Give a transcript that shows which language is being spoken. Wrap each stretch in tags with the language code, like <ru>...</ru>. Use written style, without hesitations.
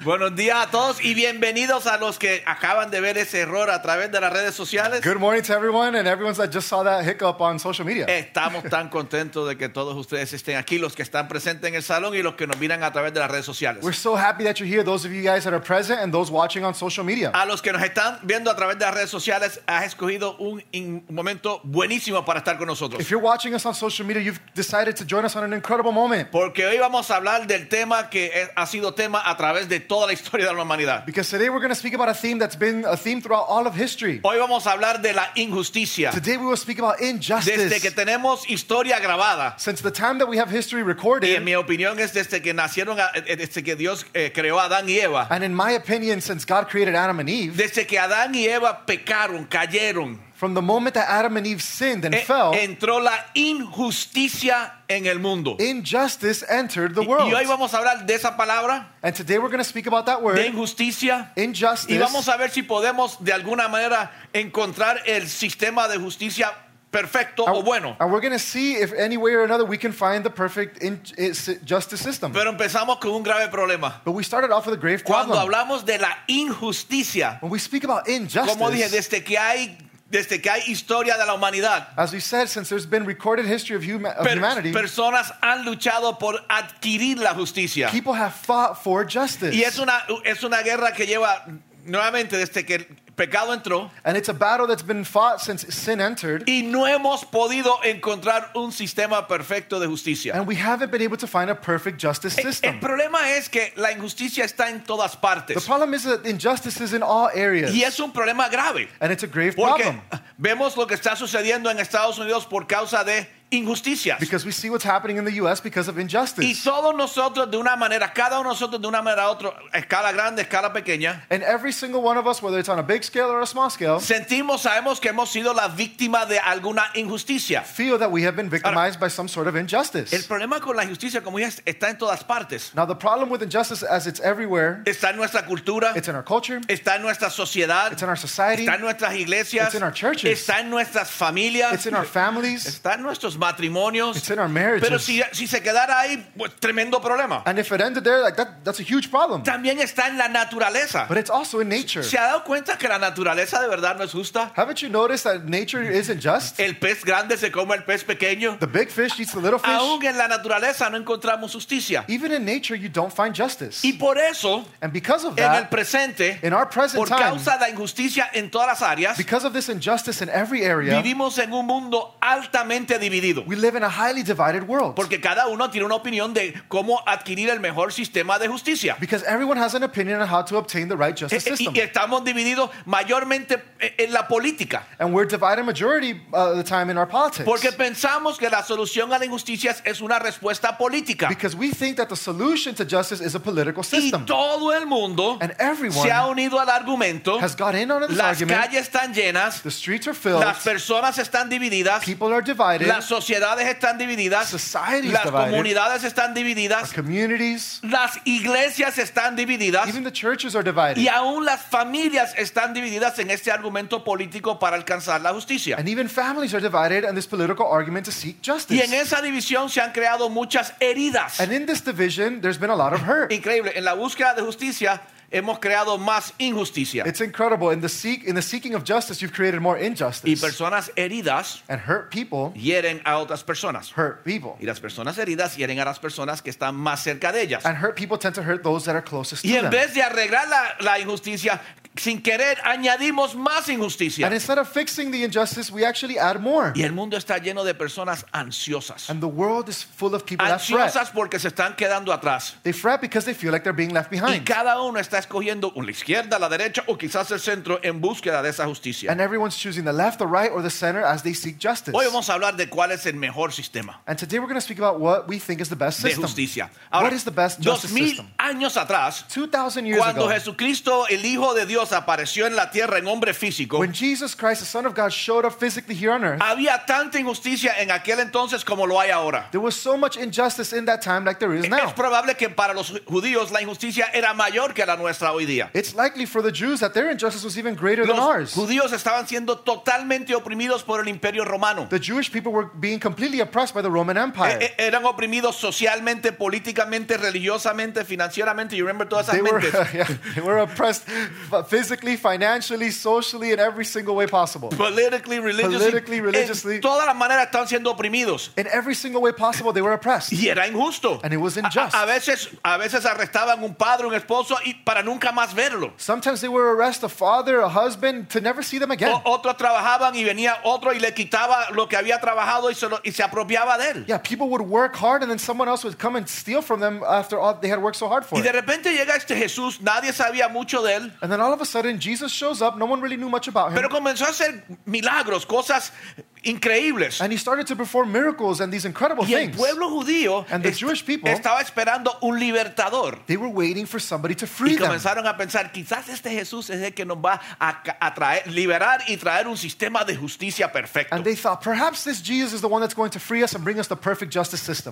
<es>Buenos días a todos y bienvenidos a los que acaban de ver ese error a través de las redes sociales.</es> <en>Good morning to everyone and everyone that just saw that hiccup on social media.</en> <es>Estamos tan contentos de que todos ustedes estén aquí, los que están presentes en el salón y los que nos miran a través de las redes sociales.</es> <en>We're so happy that you're here, those of you guys that are present and those watching on social media.</en> <es>A los que nos están viendo a través de las redes sociales, has escogido un momento buenísimo para estar con nosotros.</es> <en>If you're watching us on social media, you've decided to join us on an incredible moment.</en> <es>Porque hoy vamos a hablar del tema que ha sido tema a través de toda la historia de la humanidad.</es> <en>Because today we're going to speak about a theme that's been a theme throughout all of history.</en> <es>Hoy vamos a hablar de la injusticia.</es> <en>Today we will speak about injustice.</en> <es>Desde que tenemos historia grabada.</es> <en>Since the time that we have history recorded.</en> <es>Y en mi opinión es desde que nacieron, desde que Dios creó a Adán y Eva.</es> <en>And in my opinion, since God created Adam and Eve.</en> <es>Desde que Adán y Eva pecaron, cayeron.</es> <en>From the moment that Adam and Eve sinned and fell,</en> <es>entró la injusticia en el mundo.</es> <en>Injustice entered the world.</en> <es>Y hoy vamos a hablar de esa palabra.</es> <en>And today we're going to speak about that word.</en> <es>De injusticia.</es> <en>Injustice.</en> <es>Y vamos a ver si podemos de alguna manera encontrar el sistema de justicia perfecto o bueno.</es> <en>And we're going to see if any way or another we can find the perfect justice system.</en> <es>Pero empezamos con un grave problema.</es> <en>But we started off with a grave problem.</en> <es>Cuando hablamos de la injusticia.</es> <en>When we speak about injustice.</en> <es>Como dije, desde que hay historia de la humanidad.</es> <en>As we said, since there's been recorded history of humanity.</en> <es>Personas han luchado por adquirir la justicia.</es> <en>People have fought for justice.</en> <es>Y es una guerra que lleva nuevamente desde que el pecado entró.</es> <en>And it's a battle that's been fought since sin entered.</en> <es>Y no hemos podido encontrar un sistema perfecto de justicia.</es> <en>And we haven't been able to find a perfect justice system.</en> <es>El problema es que la injusticia está en todas partes.</es> <en>The problem is that injustice is in all areas.</en> <es>Y es un problema grave.</es> <en>And it's a grave problem.</en> <es>Porque vemos lo que está sucediendo en Estados Unidos por causa de injusticias.</es> <en>Because we see what's happening in the U.S. because of injustice.</en> <es>Y todos nosotros de una manera, cada uno de nosotros de una manera u otra, escala grande, escala pequeña.</es> <en>And every single one of us, whether it's on a big scale or a small scale.</en> <es>Sentimos, sabemos que hemos sido la víctima de alguna injusticia.</es> <en>Feel that we have been victimized by some sort of injustice.</en> <es>El problema con la injusticia, como dije, está en todas partes.</es> <en>Now the problem with injustice as it's everywhere.</en> <es>Está en nuestra cultura.</es> <en>It's in our culture.</en> <es>Está en nuestra sociedad.</es> <en>It's in our society.</en> <es>Está en nuestras iglesias.</es> <en>It's in our churches.</en> <es>Está en nuestras familias.</es> <en>It's in our families.</en> <es>Está en nuestros matrimonios.</es> <en>It's in our marriages.</en> <es>Pero si se quedara ahí, pues, tremendo problema.</es> <en>And if it ended there, like that's a huge problem.</en> <es>También está en la naturaleza.</es> <en>But it's also in nature.</en> <es>¿Se ha dado cuenta que la naturaleza de verdad no es justa?</es> <en>Haven't you noticed that nature isn't just?</en> <es>El pez grande se come el pez pequeño.</es> <en>The big fish eats the little fish.</en> <es>Aún en la naturaleza no encontramos justicia.</es> <en>Even in nature you don't find justice.</en> <es>Y por eso,</es> <en>and because of that,</en> <es>en el presente,</es> <en>in our present</en> <es>por causa de la injusticia en todas las áreas,</es> <en>because of this injustice in every area,</en> <es>vivimos en un mundo altamente dividido.</es> <en>We live in a highly divided world.</en> <es>Porque cada uno tiene una opinión de cómo adquirir el mejor sistema de justicia.</es> <en>Because everyone has an opinion on how to obtain the right justice system.</en> <es>Y estamos divididos mayormente en la política.</es> <en>And we're divided majority of the time in our politics.</en> <es>Porque pensamos que la solución a la injusticia es una respuesta política.</es> <en>Because we think that the solution to justice is a political system.</en> <es>Y todo el mundo,</es> <en>and everyone,</en> <es>se ha unido al argumento.</es> <en>Has got in on this</en> <es>las</es> <en>argument.</en> <es>Las calles están llenas.</es> <en>The streets are filled.</en> <es>Las personas están divididas.</es> <en>People are divided.</en> <es>Las sociedades están divididas.</es> <en>Society's</en> <es>las</es> <en>divided.</en> <es>Comunidades están divididas.</es> <en>Our communities.</en> <es>Las iglesias están divididas.</es> <en>Even the churches are divided.</en> <es>Y aún las familias están divididas en este argumento político para alcanzar la justicia.</es> <en>And even families are divided in this political argument to seek justice.</en> <es>Y en esa división se han creado muchas heridas.</es> <en>And in this division, there's been a lot of hurt.</en> <es>Increíble. En la búsqueda de justicia, hemos creado más injusticia.</es> <en>It's incredible. In the seeking of justice, you've created more injustice.</en> <es>Y personas heridas</es> <en>and hurt people</en> <es>hieren a otras personas.</es> <en>Hurt people.</en> <es>Y las personas heridas hieren a las personas que están más cerca de ellas.</es> <en>And hurt people tend to hurt those that are closest</en> <es>y</es> <en>to them.</en> <es>Y en vez de arreglar la injusticia, sin querer añadimos más injusticia.</es> <en>And instead of fixing the injustice, we actually add more.</en> <es>Y el mundo está lleno de personas ansiosas.</es> <en>And the world is full of people</en> <es>ansiosas</es> <en>that fret.</en> <es>Ansiosas porque se están quedando atrás.</es> <en>They fret because they feel like they're being left behind.</en> <es>Y cada uno está escogiendo la izquierda, la derecha o quizás el centro en búsqueda de esa justicia.</es> <en>And everyone's choosing the left, the right, or the center as they seek justice.</en> <es>Hoy vamos a hablar de cuál es el mejor sistema.</es> <en>And today we're going to speak about what we think is the best system.</en> <es>De justicia.</es> <en>Ahora, what is the best justice system?</en> <es>2,000 años atrás,</es> <en>2,000 years</en> <es>cuando</es> <en>ago,</en> <es>Jesucristo, el Hijo de Dios, Dios apareció en la tierra en hombre físico,</es> <en>when Jesus Christ, the Son of God, showed up physically here on earth,</en> <es>había tanta injusticia en aquel entonces como lo hay ahora.</es> <en>There was so much injustice in that time like there is now.</en> <es>Es probable que para los judíos la injusticia era mayor que la nuestra hoy día.</es> <en>It's likely for the Jews that their injustice was even greater</en> <es>los</es> <en>than ours.</en> <es>Los judíos estaban siendo totalmente oprimidos por el Imperio Romano.</es> <en>The Jewish people were being completely oppressed by the Roman Empire.</en> <es>Eran oprimidos socialmente, políticamente, religiosamente, financieramente.</es> <en>You remember</en> <es>todas esas mentes?</es> <en>They were oppressed physically, financially, socially, in every single way possible. Politically, religiously. Politically, religiously.</en> <es>En todas las maneras estaban siendo oprimidos.</es> <en>In every single way possible, they were oppressed.</en> <es>Y era injusto.</es> <en>And it was unjust.</en> <es>A veces arrestaban un padre, un esposo, y para nunca más verlo.</es> <en>Sometimes they would arrest a father, a husband, to never see them again.</en> <es>Otros trabajaban y venía otro y le quitaba lo que había trabajado y se apropiaba de él.</es> <en>Yeah, people would work hard and then someone else would come and steal from them after all they had worked so hard for.</en> <es>Y de repente llega este Jesús, nadie sabía mucho de él.</es> <en>And then all of a sudden Jesus shows up, no one really knew much about him.</en> <es>Pero comenzó a hacer milagros, cosas increíbles.</es> <en>And he started to perform miracles and these incredible</en> <es>y el</es> <en>things.</en> <es>Pueblo judío</es> <en>and the Jewish people</en> <es>estaba esperando un libertador.</es> <en>They were waiting for somebody to free them.</en> <es>Y comenzaron</es> <en>them.</en> <es>A pensar, quizás este Jesús es el que nos va a traer, liberar y traer un sistema de justicia perfecto.</es> <en>And they thought, perhaps this Jesus is the one that's going to free us and bring us the perfect justice system.</en>